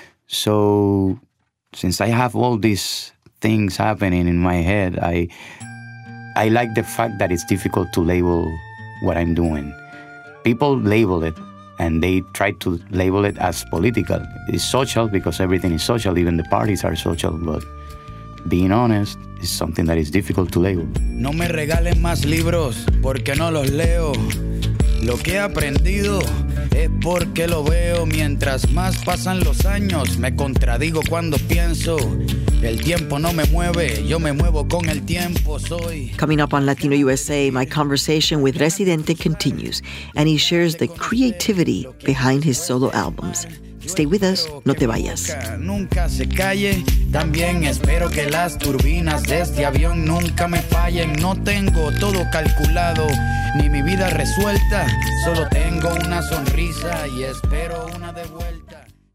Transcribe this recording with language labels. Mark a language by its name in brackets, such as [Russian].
[English] So, since I have all these things happening in my head, I like the fact that it's difficult to label what I'm doing. People label it, and they try to label it as political. It's social, because everything is social, even the parties are social, but being honest is something that is difficult to label. [Spanish] No me regalen más libros, porque no los leo. Lo que he aprendido es porque lo veo. Mientras más pasan los años, me contradigo cuando pienso. El tiempo no me mueve, yo me muevo con el tiempo. Soy. [English] Coming up on Latino USA, my conversation with Residente continues, and he shares the creativity behind his solo albums. Stay with us, [Spanish] no te vayas. Nunca se calle, también espero que las turbinas de este avión nunca me fallen. No tengo todo calculado, ni mi vida resuelta, solo tengo una sonrisa y espero una de vuelta.